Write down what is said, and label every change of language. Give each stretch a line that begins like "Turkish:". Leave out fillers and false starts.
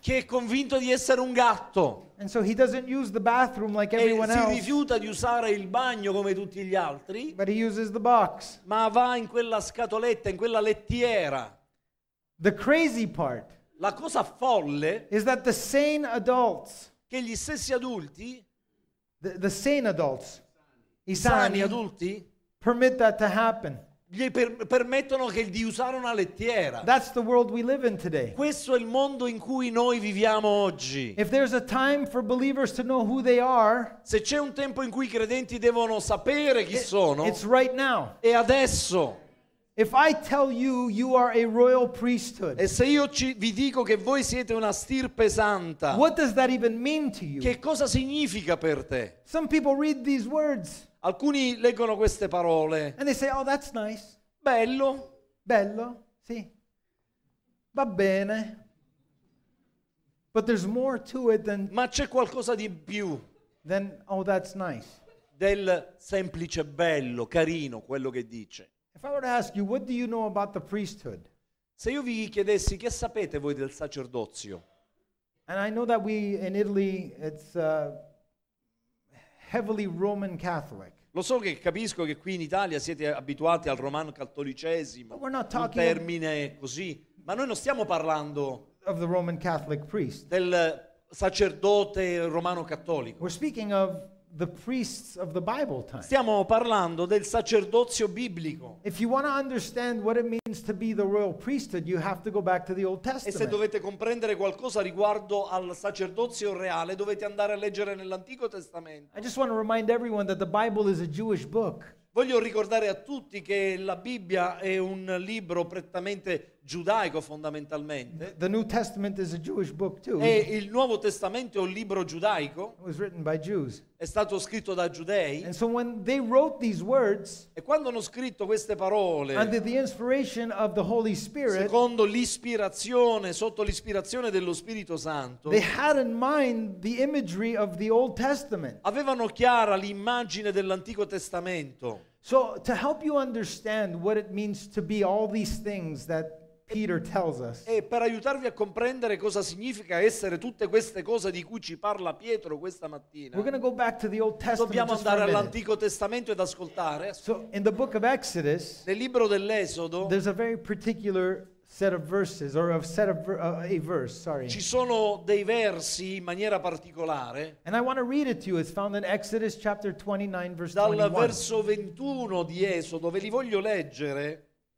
Italian: che è convinto di essere un gatto,
English: and so he doesn't use the bathroom like everyone else,
Italian: e si rifiuta di usare il bagno come tutti gli altri,
English: but he uses the box,
Italian: ma va in quella scatoletta, in quella lettiera.
English: The crazy part,
Italian: la cosa folle,
English: is that the sane adults,
Italian: che gli stessi adulti,
English: the sane adults,
Italian: i sani adulti,
English: permit that to happen.
Italian: Gli permettono che di usare una lettiera.
English: That's the world we live in today.
Italian: Questo è il mondo in cui noi viviamo oggi.
English: If there's a time for believers to know who they are,
Italian: se c'è un tempo in cui i credenti devono sapere chi sono,
English: it's right now.
Italian: È adesso.
English: If I tell you you are a royal priesthood,
Italian: e se io vi dico che voi siete una stirpe santa,
English: what does that even mean to you?
Italian: Che cosa significa per te?
English: Some people read these words.
Italian: Alcuni leggono queste parole.
English: And they say, oh, that's nice.
Italian: Bello. Bello, sì. Va bene.
English: But there's more to it than.
Italian: Ma c'è qualcosa di più.
English: Than, oh, that's nice.
Italian: Del semplice bello, carino, quello che dice.
English: If I were to ask you, what do you know about the priesthood?
Italian: Se io vi chiedessi, che sapete voi del sacerdozio?
English: And I know that we, in Italy, it's heavily Roman Catholic.
Italian: Lo so che capisco che qui in Italia siete abituati al romano cattolicesimo,
English: but we're not talking,
Italian: un termine così, ma noi non stiamo parlando
English: of the Roman Catholic priest.
Italian: Del sacerdote romano cattolico.
English: We're speaking of the priests of the Bible time.
Italian: Stiamo parlando del sacerdozio biblico.
English: If you want to understand what it means to be the royal priesthood, you have to go back to the Old Testament.
Italian: E se dovete comprendere qualcosa riguardo al sacerdozio reale, dovete andare a leggere nell'Antico Testamento.
English: I just want to remind everyone that the Bible is a Jewish book.
Italian: Voglio ricordare a tutti che la Bibbia è un libro prettamente giudaico, fondamentalmente.
English: The New Testament is a Jewish book too.
Italian: E il Nuovo Testamento è un libro giudaico.
English: It was written by Jews.
Italian: È stato scritto da giudei.
English: And so when they wrote these words,
Italian: e quando hanno scritto queste parole,
English: under the inspiration of the Holy Spirit,
Italian: secondo l'ispirazione, sotto l'ispirazione dello Spirito Santo,
English: they had in mind the imagery of the Old Testament.
Italian: Avevano chiara l'immagine dell'Antico Testamento.
English: So to help you understand what it means to be all these things that Peter tells us.
Italian: E per aiutarvi a comprendere cosa significa essere tutte queste cose di cui ci parla Pietro questa mattina.
English: We're going to go back to the Old Testament.
Italian: Dobbiamo andare all'Antico Testamento ed ascoltare.
English: So in the book of Exodus,
Italian: nel libro dell'Esodo,
English: there's a very particular set of verses or a set of a verse, sorry.
Italian: Ci sono dei versi in maniera particolare.
English: And I want to read it to you. It's found in Exodus chapter 29 verse 21.
Italian: Dal verso 21 di Esodo, ve li voglio leggere.